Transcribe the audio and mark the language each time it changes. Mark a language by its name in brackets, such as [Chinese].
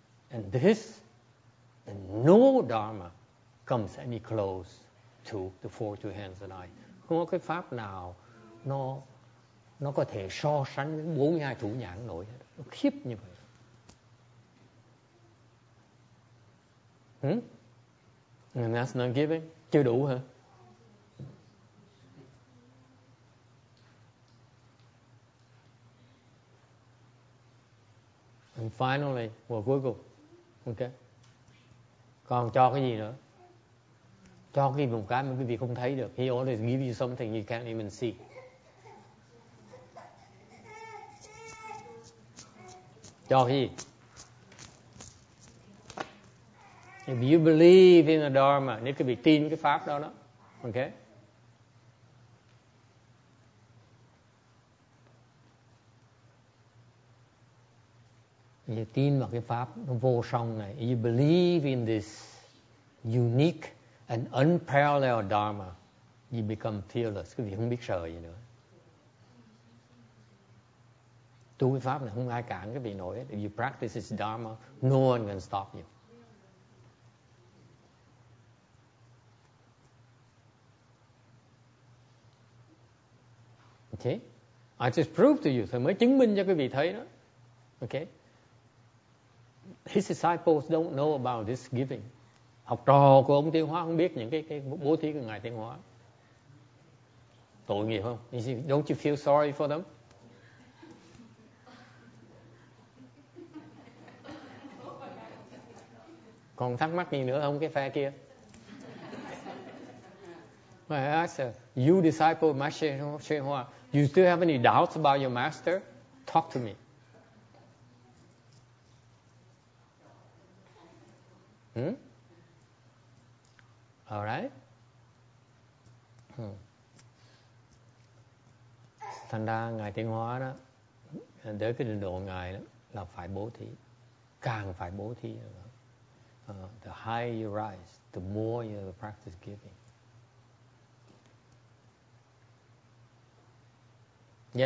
[English] And this, and no Dharma comes any close to the four two hands and eye. [Vietnamese] Không có cái pháp nào nó có thể so sánh với 42 thủ nhãn nổi. Nó khiếp như vậy. [English] And that's not giving. [Vietnamese] Chưa đủ hả? [English] And finally, well, [Vietnamese] cuối cùng. Okay. Còn cho cái gì nữa? Cho cái một cái mà quý vị không thấy được. [English] He always give you something you can't even see. [Vietnamese] Cho cái gì? [English] If you believe in the Dharma, [Vietnamese] nếu quý vị tin cái pháp đó đó, okay? You tin vào cái pháp vô song này. [English] You believe in this unique and unparalleled Dharma. You become fearless. [Vietnamese] Quý vị không biết sợ gì nữa. Tu cái pháp này không ai cản quý vị nổi. [English] If you practice this Dharma, no one can stop you. [Vietnamese] Okay? [English] I just proved to you. [Vietnamese] Thầy mới chứng minh cho quý vị thấy đó. Okay? [English] His disciples don't know about this giving. [Vietnamese] Học trò của ông Tiêu Hóa không biết những cái bố thí của Ngài Tiêu Hóa. Tội nghiệp không? [English] Don't you feel sorry for them? [Vietnamese] Còn thắc mắc gì nữa không cái phe kia? [English] I ask you disciple Master Tiêu Hóa, you still have any doubts about your master? Talk to me. All right. [Vietnamese] Thành ra Ngài Tiến Hóa đó, để cái trình độ Ngài đó là phải bố thí, càng phải bố thí. [English] The higher you rise, the more you practice giving.